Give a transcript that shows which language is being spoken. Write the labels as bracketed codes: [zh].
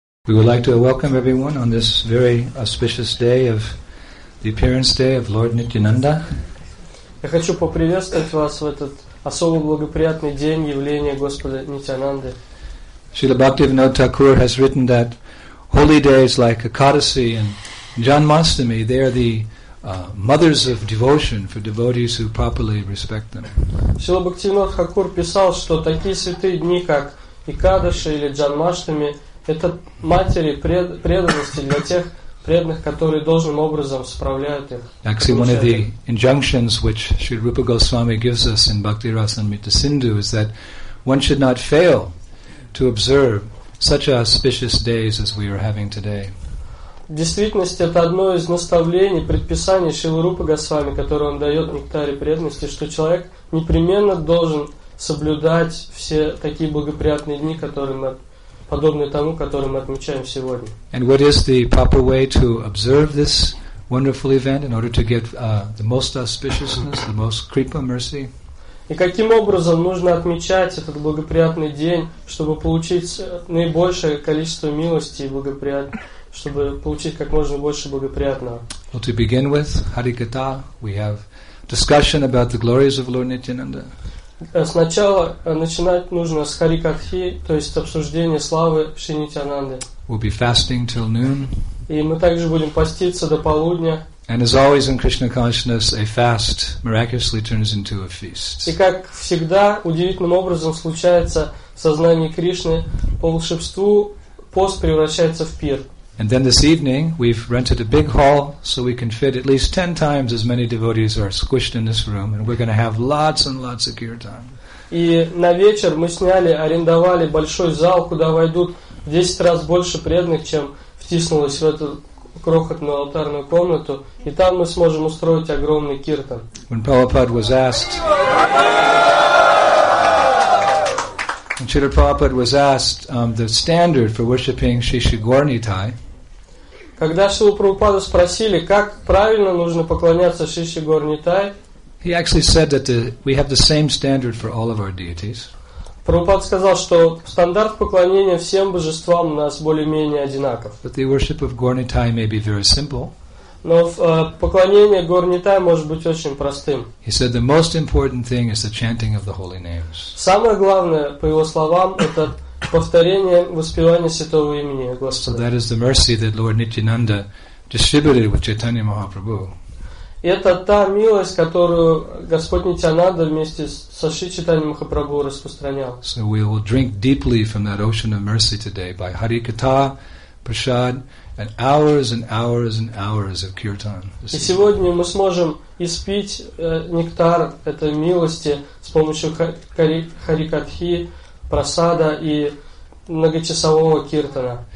[en] We would like to welcome everyone on this very auspicious day of the appearance day of Lord Nityananda. [ru] Я хочу поприветствовать вас в этот особо благоприятный день явления Господа Нитянанды. [en] Srila Bhaktivinoda Thakur has written that holy days like Ekadasi and Janmashtami, they are the mothers of devotion for devotees who properly respect them. [ru] Srila Bhaktivinoda Thakur писал, что такие святые дни, как Экадаши или Джанмаштами, это матери преданности для тех преданных, которые должным образом справляют их. [en] Actually, one of the injunctions which Sri Rupa Goswami gives us in Bhakti Rasamrita Sindhu is that one should not fail to observe such auspicious days as we are having today. [ru] В действительности, это одно из наставлений, предписаний Шрилы Рупы Госвами, которое он дает нектаре преданности, что человек непременно должен соблюдать все такие благоприятные дни, которые мы подобные тому, который мы отмечаем сегодня. [en] And what is the proper way to observe this wonderful event in order to get the most auspiciousness, the most kripa mercy? [ru] И каким образом нужно отмечать этот благоприятный день, чтобы получить наибольшее количество милости и чтобы получить как можно больше благоприятного? [en] Well, to begin with, Harikatha, we have discussion about the glories of Lord Nityananda. [ru] Сначала начинать нужно с Харикатхи, то есть обсуждение славы Шри Нитянанды. [en] We'll be fasting till noon. [ru] И мы также будем поститься до полудня. [en] And as always in Krishna consciousness, a fast miraculously turns into a feast. [ru] И как всегда, удивительным образом случается в сознании Кришны, по волшебству пост превращается в пир. [en] And then this evening, we've rented a big hall so we can fit at least 10 times as many devotees are squished in this room, and we're going to have lots and lots of kirtan. [ru] И на вечер мы сняли, арендовали большой зал, куда войдут в 10 раз больше преданных, чем втиснулось в эту крохотную алтарную комнату, и там мы сможем устроить огромный киртан. [en] When Prabhupada was asked, when Srila Prabhupada was asked the standard for worshipping Shishi Gornitai, [ru] когда Шрилу Прабхупаду спросили, как правильно нужно поклоняться Шиши Горнитай, [en] he actually said that we have the same standard for all of our deities. [ru] Прабхупада сказал, что стандарт поклонения всем божествам у нас более-менее одинаков. [en] But the worship of Gornitai may be very simple. [ru] Но поклонение Горнитай может быть очень простым. [en] He said the most important thing is the chanting of the holy names. [ru] Самое главное, по его словам, это повторение, воспевание святого имени Господа. [en] So that is the mercy that Lord Nityananda distributed with Chaitanya Mahaprabhu. [ru] Это та милость, которую Господь Нитянанда вместе со Шри Чайтанья Махапрабху распространял. [en] So we will drink deeply from that ocean of mercy today by Harikatha, Prasad, and hours and hours and hours of kirtan. [ru] И сегодня мы сможем испить нектар этой милости с помощью Харикатхи, Прасада и многочасового киртана.